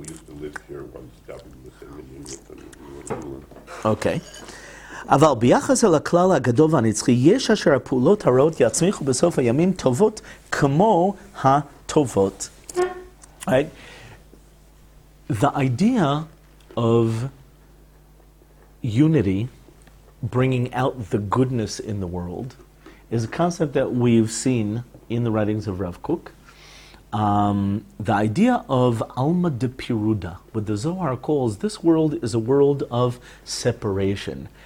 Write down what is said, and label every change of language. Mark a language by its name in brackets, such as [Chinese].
[English] We used to live here once, down in the same union with him. Okay. [Hebrew] אבל ביחס אל הכלל הגדול והנצחי, יש אשר הפעולות הרעות יצמיחו בסוף הימים טובות כמו הטובות. [English] The idea of unity, bringing out the goodness in the world, is a concept that we've seen in the writings of Rav Kook. The idea of Alma de Piruda, what the Zohar calls, this world is a world of separation.